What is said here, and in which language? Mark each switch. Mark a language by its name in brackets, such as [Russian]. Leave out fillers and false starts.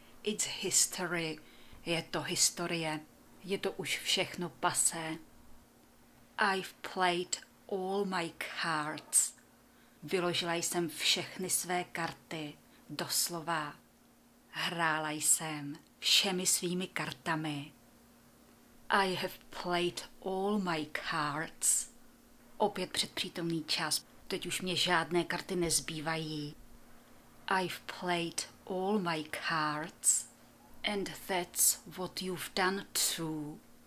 [English] It's history. [Czech] Je to historie. Je to už všechno pasé. [English] I've played all my cards. [Czech] Vyložila jsem všechny své karty. Doslova. Hrála jsem všemi svými kartami. [English] I have played all my cards. [Czech] Opět předpřítomný čas. Teď už mě žádné karty nezbývají. [English] I've played all my cards. And that's what you've done too.